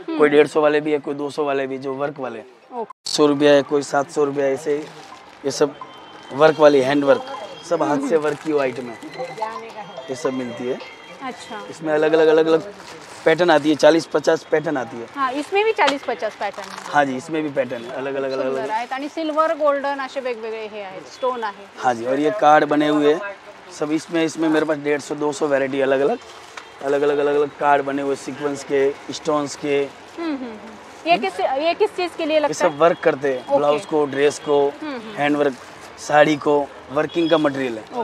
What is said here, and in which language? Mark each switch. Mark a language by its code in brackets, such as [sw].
[hi] कोई 150 वाले भी है, कोई 200 वाले भी, जो वर्क वाले 100 रुपया है, कोई 700 रुपया। ऐसे ये सब वर्क वाली, हैंड वर्क, सब हाथ से वर्क की आइटम है, ये सब मिलती है। अच्छा। इसमें अलग अलग अलग अलग पैटर्न आती है, 40-50 पैटर्न आती है। हाँ, इसमें भी 40-50 पैटर्न है। हाँ जी, इसमें भी पैटर्न है अलग अलग अलग अलग। [mr] सिल्वर, गोल्डन, अशे वेगवेगळे हे आहेत, स्टोन आहे। [hi] हाँ जी, और ये कार्ड बने हुए है सब। इसमें मेरे पास 150-200 वैरायटी अलग अलग अलग अलग अलग अलग कार्ड बने हुए, सिक्वेंस के, स्टोन्स के। ये किस चीज के लिए लगता है? सब वर्क करते है, ब्लाउज को, ड्रेस को, हैंड वर्क, साड़ी को, वर्किंग का मटेरियल है।